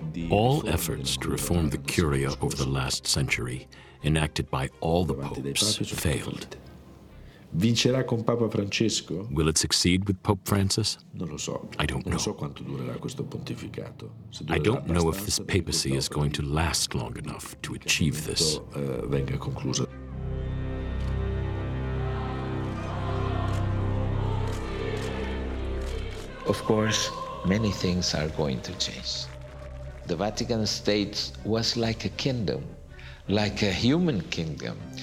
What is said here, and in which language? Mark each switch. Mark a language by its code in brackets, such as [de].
[en] All efforts to reform the Curia over the last century, enacted by all the popes, failed. [it] Vincerà con Papa Francesco? [en] Will it succeed with Pope Francis? [it] Non lo so. [en] I don't know. [it] Non so quanto durerà questo pontificato. [en] I don't know if this papacy is going to last long enough to achieve this. [it] Venga conclusa. [en] Of course, many things are going to change. The Vatican State was like a kingdom, like a human kingdom.